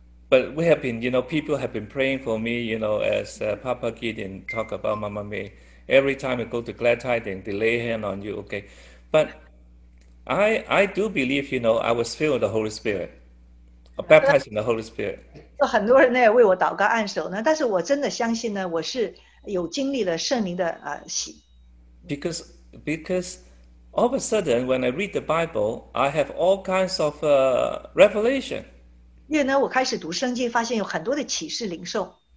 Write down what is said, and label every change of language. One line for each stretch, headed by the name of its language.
English: But we have been, you know, people have been praying for me, you know, as Papa Gideon talked about Mama May. Every time I go to Glad Tidings, they lay hand on you, okay? But I do believe, you know, I was filled with the Holy Spirit, baptized in the Holy Spirit.
Chinese: 很多人为我祷告按手呢，但是我真的相信呢，我是有经历了圣灵的 洗。
English: Because all of a sudden when I read the Bible, I have all kinds of revelation.
Chinese: 因为呢，我开始读圣经，发现有很多的启示灵受。